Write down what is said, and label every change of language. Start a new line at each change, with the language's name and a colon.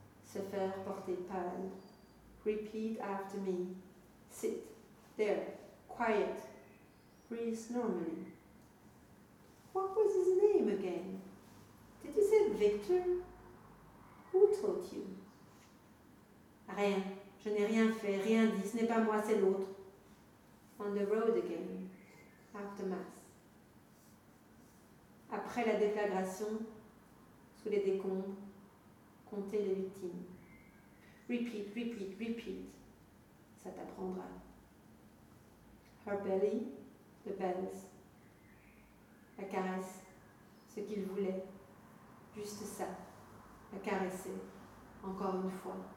French: Se faire porter pâle.
English: Repeat after me. Sit. There. Quiet. Breathe normally. What was his name again? Did you say Victor? Who taught you?
French: Rien, je n'ai rien fait, rien dit, ce n'est pas moi, c'est l'autre.
English: On the road again, after mass.
French: Après la déflagration, sous les décombres, comptez les victimes.
English: Repeat, repeat, repeat,
French: ça t'apprendra.
English: Her belly, the bells.
French: La caresse, ce qu'il voulait, juste ça, la caresser, encore une fois.